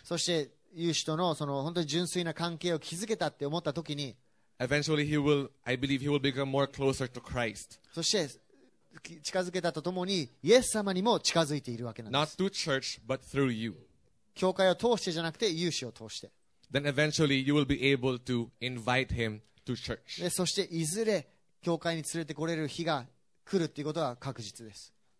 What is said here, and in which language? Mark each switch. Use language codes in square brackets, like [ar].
[ja] そして有志とのその本当に純粋な関係を築けたって思った時に。 [en] Eventually he will, I believe he will become more closer to Christ. [ja] そして近づけたとともにイエス様にも近づいているわけなんです。 [en] Not through church, but through you. [ja] 教会を通してじゃなくて有志を通して。 [en] Then eventually you will be able to invite him to church. [ja] で、そしていずれ教会に連れてこれる日が来るっていうことは確実です。